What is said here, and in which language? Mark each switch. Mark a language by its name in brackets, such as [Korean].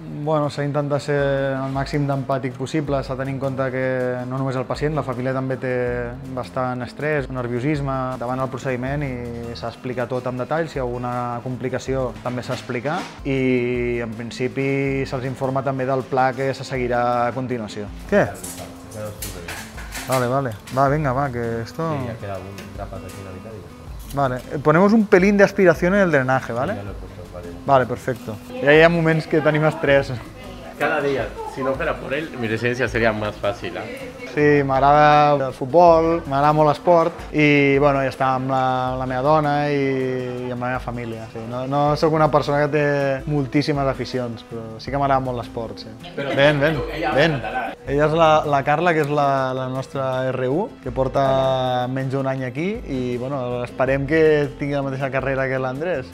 [Catalan] Bueno, s'ha intentat ser el màxim d'empàtic possible, s'ha de tenir en compte que no només el pacient, la família també té bastant estrès, nerviosisme davant el procediment i s'ha explicat tot en detall, si hi ha alguna complicació també s'ha explicat i en principi se'ls informa també del pla que se seguirà a continuació. Què? Vale. Va, vinga, va, que esto... [Spanish] Sí, ya queda un grapat aquí en la mitad y esto. Vale, ponemos un pelín de aspiración en el drenaje, ¿vale? Vale, perfecto. Ya hay momentos que tenemos estrés. Cada día, si no fuera por él, mi residencia sería más fácil, ¿eh? [Catalan] Sí, m'agrada el futbol, m'agrada molt l'esport i bueno, ja està amb la meva dona i amb la meva família. Sí. No sóc una persona que té moltíssimes aficions, però sí que m'agrada molt l'esport. Sí. Ben. Ella és la Carla, que és la nostra R1, que porta menys d'un any aquí i bueno, esperem que tingui la mateixa carrera que l'Andrés.